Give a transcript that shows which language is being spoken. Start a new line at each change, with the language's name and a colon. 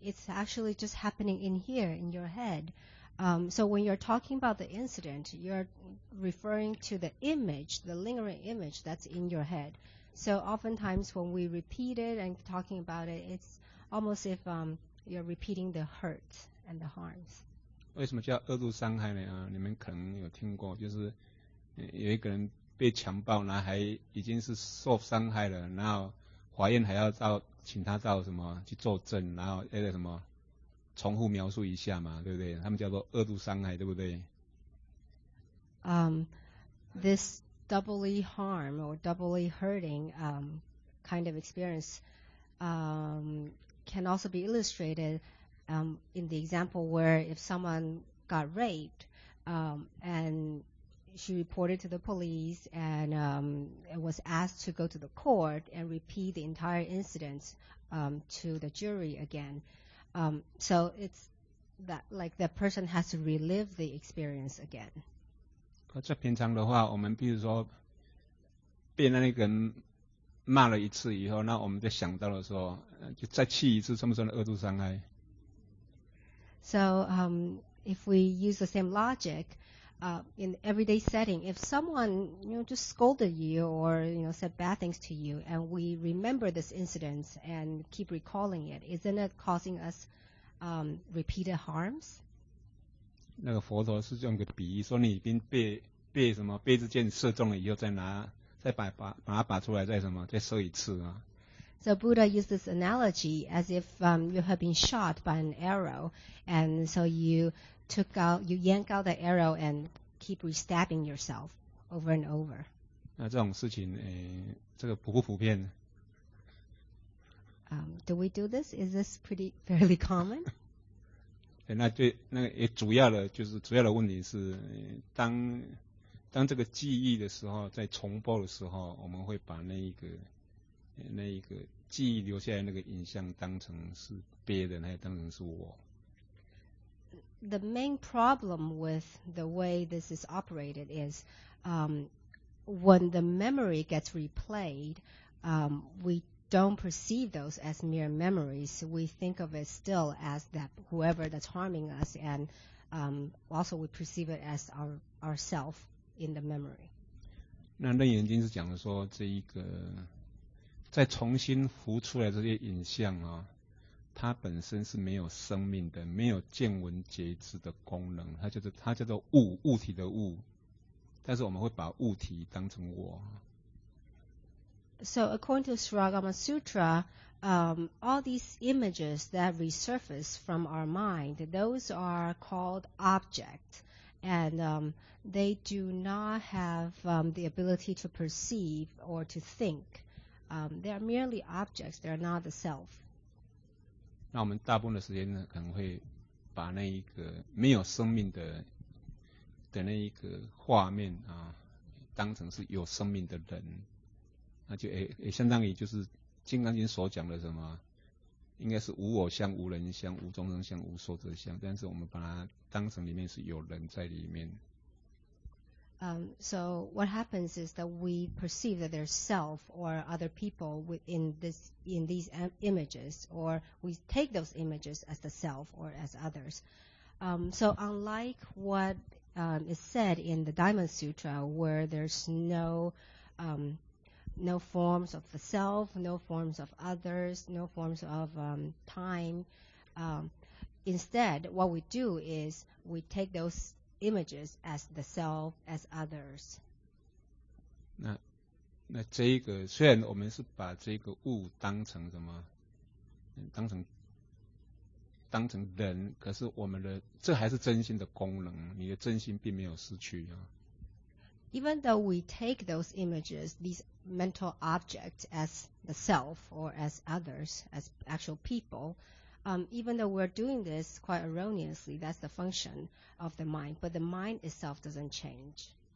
English: It's actually just happening in here, in your head. So when you're talking about the incident, you're referring to the image, the lingering image that's in your head. So oftentimes when we repeat it and talking about it, it's almost as if you're repeating the hurts and the harms.
Chinese: 为什么叫二度伤害呢？你们可能有听过，就是有一个人被强暴，然后还已经是受伤害了，然后法院还要到请他到什么去作证，然后那个什么重复描述一下嘛，对不对？他们叫做二度伤害，对不对？
English: This doubly harm or doubly hurting kind of experience can also be illustrated in the example where if someone got raped and she reported to the police and was asked to go to the court and repeat the entire incident to the jury again. So it's that like the person has to relive the experience again.
Chinese: 可是平常的话，我们比如说被那个人骂了一次以后，那我们就想到了说，就再气一次，算不算二度伤害？
English: So if we use the same logic, in everyday setting, if someone just scolded you or said bad things to you, and we remember this incident and keep recalling it, isn't it causing us repeated harms?
Chinese: 那个佛陀是用个比喻，说你已经被什么被这箭射中了以后，再把它拔出来，再什么再射一次啊。
English: So Buddha used this analogy as if you have been shot by an arrow, and so you yank out the arrow and keep re-stabbing yourself over and over.
Chinese: 那这种事情，这个普不普遍？
English: Do we do this? Is this pretty fairly common?
Chinese: 那主要的就是主要的问题是，当这个记忆的时候，在重播的时候，我们会把那一个记忆留下来那个影像当成是别人，还当成是我。
English: The main problem with the way this is operated is when the memory gets replayed, we don't perceive those as mere memories. We think of it still as that whoever that's harming us, and also we perceive it as ourself in the memory.
Chinese: 那楞严经是讲说这一个再重新浮出来这些影像啊，它本身是没有生命的，没有见闻觉知的功能，它叫做物，物体的物，但是我们会把物体当成我。
English: So according to Saragama Sutra, all these images that resurface from our mind, those are called objects, and they do not have the ability to perceive or to think. They are merely objects, they are not the self.
Chinese: 那我们大部分的时间呢，可能会把那一个没有生命的那一个画面啊，当成是有生命的人，那就也相当于就是《金刚经》所讲的什么，应该是无我相、无人相、无众生相、无寿者相，但是我们把它当成里面是有人在里面。
English: So what happens is that we perceive that there's self or other people within these images, or we take those images as the self or as others. So unlike what is said in the Diamond Sutra, where there's no forms of the self, no forms of others, no forms of time. Instead, what we do is we take those images as the self, as others.
Chinese: 那这一个虽然我们是把这个物当成什么，当成人，可是我们的这还是真心的功能，你的真心并没有失去啊。
English: even though we take those images, these mental objects as the self or as others, as actual people, even though we're doing this quite erroneously, that's the function of the mind, but the mind itself doesn't change.